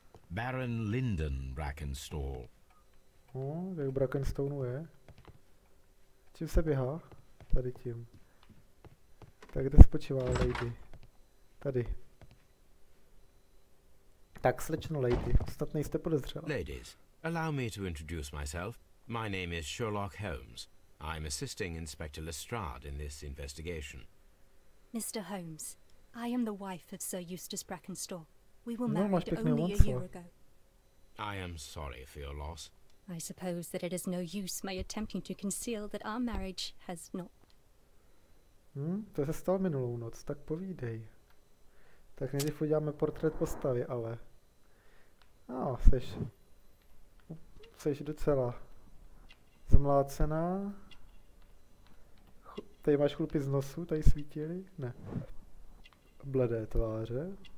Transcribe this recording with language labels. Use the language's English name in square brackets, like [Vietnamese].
[English] Baron Lyndon Brackenstall. [Czech] No, jak Brackenstone je. Čím se běhá? Tady tím. Tak kde spočívá Lady? Tady. Tak, slečno Lady, snad nejste podezřela. [English] Ladies, allow me to introduce myself. My name is Sherlock Holmes. I'm assisting Inspector Lestrade in this investigation. Mr. Holmes, I am the wife of Sir Eustace Brackenstall. We were married only a year ago. I am sorry for your loss. I suppose that it is no use my attempting to conceal that our marriage has not. [Czech] To se stalo minulou noc, tak povídej. Tak nejdřív uděláme portrét postavy, ale... No, seš docela zmlácená. Tady máš chlupy z nosu, tady svítili? Ne. Bledé tváře.